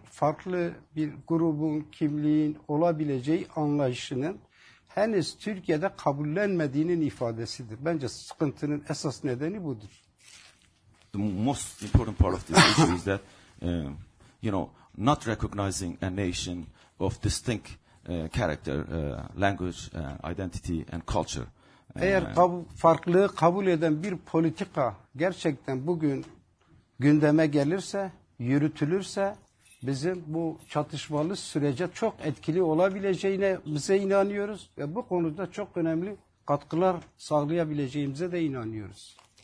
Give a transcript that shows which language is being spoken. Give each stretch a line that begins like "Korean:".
Turkish: Farklı bir grubun kimliğin olabileceği anlayışının henüz Türkiye'de kabullenmediğinin ifadesidir. Bence sıkıntının esas nedeni budur.
English: The most important part of this issue is that you know, not recognizing a nation of distinct character, language, identity and culture.
Turkish: Eğer farklılığı kabul eden bir politika gerçekten bugün gündeme gelirse, yürütülürse bizim bu çatışmalı sürece çok etkili olabileceğine bize inanıyoruz ve bu konuda çok önemli katkılar sağlayabileceğimize de inanıyoruz.